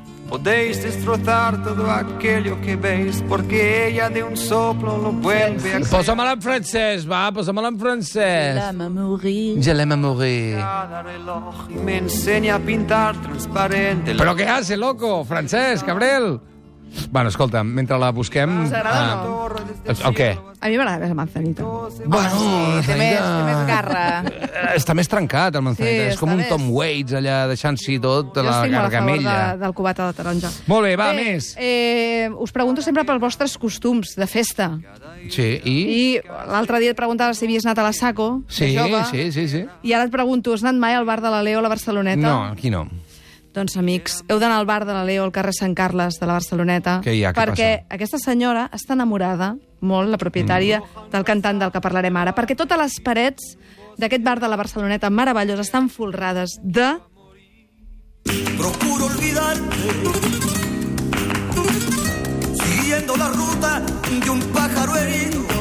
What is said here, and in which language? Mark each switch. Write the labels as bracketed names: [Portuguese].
[Spanish] Podéis destrozar todo aquello que veis porque ella de un soplo lo vuelve a... [Catalan] Posa-me-la en francès, va, posa-me-la en francès. [French] Je l'aime à mourir. [Spanish] Me enseña a pintar transparente. [Catalan] Però què [Spanish] hace, loco? [Catalan] Francesc, Gabriel. Bueno, escolta, mentre la busquem... El què? A mi m'agrada més el Manzanita. Bueno, sí, Manzanita... Té més garra. Està més trencat, el Manzanita. Sí, és com un Tom Waits allà, deixant-s'hi tot la gargamella. Jo estic molt a favor del cubata de taronja. Molt bé, va, bé, més. Us pregunto sempre pels vostres costums de festa. Sí, i? I l'altre dia et preguntava si havies anat a la Saco, sí, de jove. Sí. I ara et pregunto, has anat mai al bar de la Leo a la Barceloneta? No, aquí no. Doncs, amics, heu d'anar al bar de la Leo, al carrer Sant Carles, de la Barceloneta. Què hi ha? Què perquè passa? Aquesta senyora està enamorada, molt, la propietària del cantant del que parlarem ara, perquè totes les parets d'aquest bar de la Barceloneta meravellós estan folrades de... [Spanish] Procuro olvidarte siguiendo la ruta de un pájaro herido.